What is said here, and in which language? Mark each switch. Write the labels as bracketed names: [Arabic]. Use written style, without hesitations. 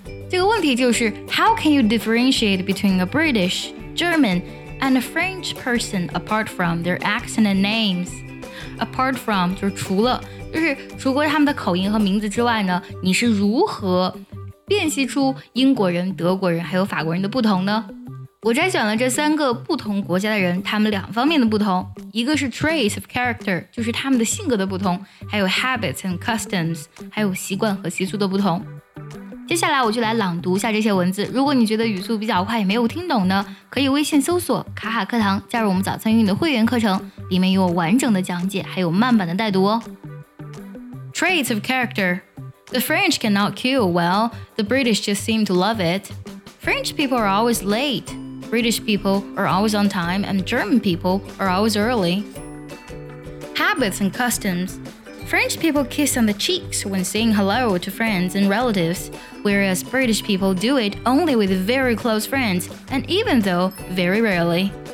[Chinese] 这个问题就是 [English] How can you differentiate between a British, German and a French person apart from their accent and names? Apart from [Chinese] 就是除了，就是除过他们的口音和名字之外呢，你是如何辨析出英国人、德国人还有法国人的不同呢？我摘选了这三个不同国家的人，他们两方面的不同，一个是 [English] traits of character， [Chinese] 就是他们的性格的不同，还有 [English] habits and customs， [Chinese] 还有习惯和习俗的不同。接下来我就来朗读一下这些文字，如果你觉得语速比较快也没有听懂呢，可以微信搜索卡卡课堂，加入我们早餐英语的会员课程，里面有完整的讲解还有慢版的带读哦。 [English] Traits of character. The French cannot queue well, the British just seem to love it. French people are always late, British people are always on time, and German people are always early. Habits and customs. French people kiss on the cheeks when saying hello to friends and relatives, whereas British people do it only with very close friends, and even though very rarely.